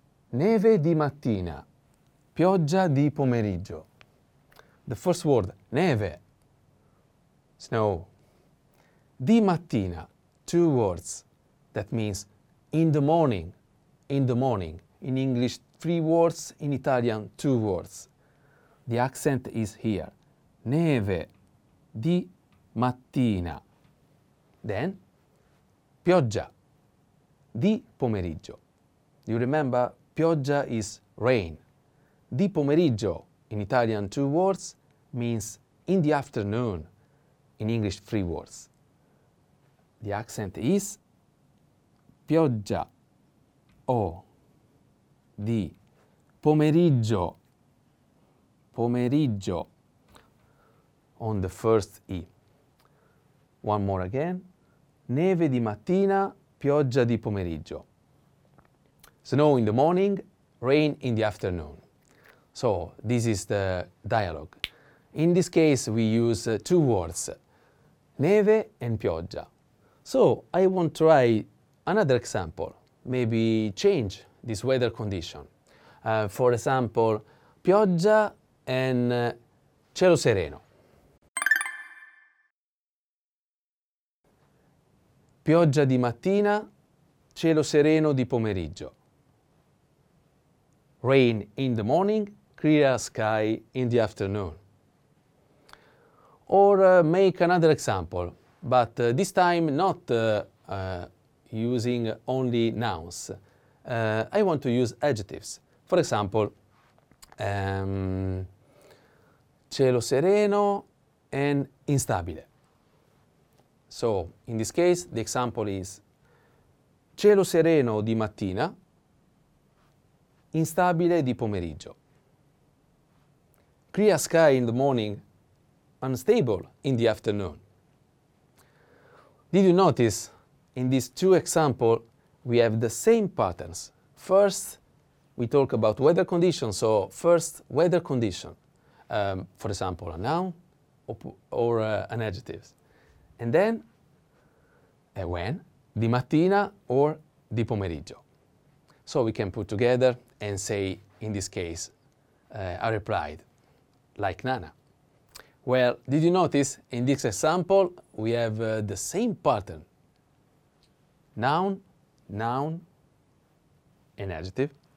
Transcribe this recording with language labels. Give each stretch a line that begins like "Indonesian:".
Italian: Neve di mattina, pioggia di pomeriggio.
English: The first word, neve, snow.
Italian: Di mattina,
English: two words. That means in the morning, in the morning. In English, three words, in Italian, two words. The accent is here.
Italian: Neve di mattina. Then, pioggia di pomeriggio.
English: You remember, pioggia is rain.
Italian: Di pomeriggio,
English: in Italian, two words, means in the afternoon. In English, three words. The accent is
Italian: pioggia o di pomeriggio.
English: Pomeriggio on the first E. One more again.
Italian: Neve di mattina, pioggia di pomeriggio.
English: Snow in the morning, rain in the afternoon. So, this is the dialogue. In this case, we use two words, neve and pioggia. So, I want to try another example, maybe change this weather condition. For example, pioggia and cielo sereno.
Italian: Pioggia di mattina, cielo sereno di pomeriggio.
English: Rain in the morning, clear sky in the afternoon. Or make another example, but this time not using only nouns. I want to use adjectives. For example, cielo sereno and instabile. So, in this case, the example is
Italian: cielo sereno di mattina, instabile di pomeriggio.
English: Clear sky in the morning, unstable in the afternoon. Did you notice in these two examples we have the same patterns? First, we talk about weather conditions. So, first, weather condition. For example, a noun or an adjective. And then, when?
Italian: Di mattina or di pomeriggio.
English: So, we can put together and say, in this case, I replied, like Nana. Well, did you notice in this example we have the same pattern? Noun, noun, an adjective.